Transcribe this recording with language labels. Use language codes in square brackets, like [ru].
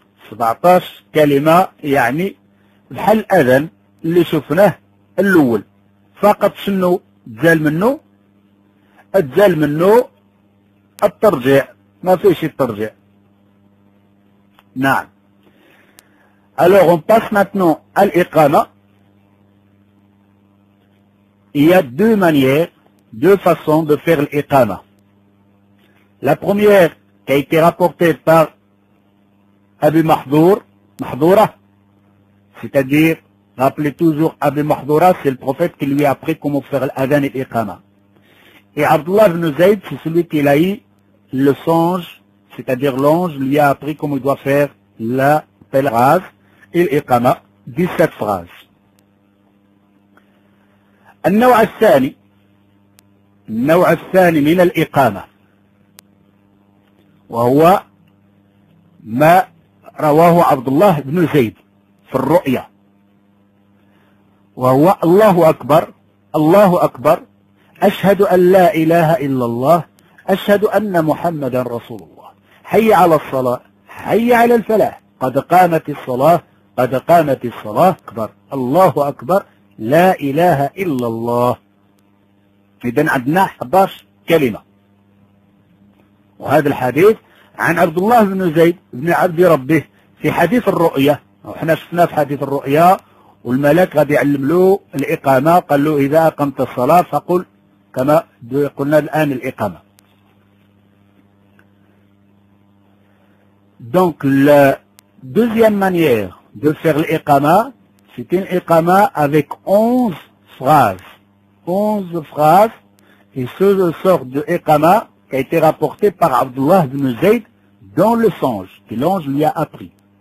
[ar] 17 كلمة يعني بحال أذن اللي شفناه الأول فقط شنو تزال منه تزال منه الترجع ما فيش الترجع. نعم. [fr] Alors on passe maintenant à l'Iqama. Il y a deux manières, deux façons de faire l'Iqama. La première qui a été rapportée par Abu Mahdour, Mahdoura, c'est-à-dire, rappelez toujours Abu Mahdoura, c'est le prophète qui lui a appris comment faire l'Adhan et l'Iqama. Et Abdullah ibn Zayd, c'est celui qui l'a eu. Le songe, c'est-à-dire l'ange, lui a appris comment il doit faire la phrase et l'Iqama, 17 phrases. [ar] النوع الثاني, النوع الثاني من الإقامة, وهو ما رواه عبد الله بن زيد في الرؤيا, وهو الله أكبر, الله أكبر, أشهد أن لا إله إلا الله, أشهد أن محمدا رسول الله حي على الصلاة حي على الفلاح قد قامت الصلاة قد قامت الصلاة أكبر الله أكبر لا إله إلا الله إذن عندنا 11 كلمة وهذا الحديث عن عبد الله بن زيد بن عبد ربه في حديث الرؤية وحنا شفنا في حديث الرؤية والملك غادي يعلم له الإقامة قال له إذا أقمت الصلاة فقل كما قلنا الآن الإقامة [fr] Donc, la deuxième manière de faire l'iqama, c'est une iqama avec 11 phrases. 11 phrases. Et ce sort de iqama qui a été rapporté par Abdullah ibn Zayd dans le songe, que l'ange lui a appris.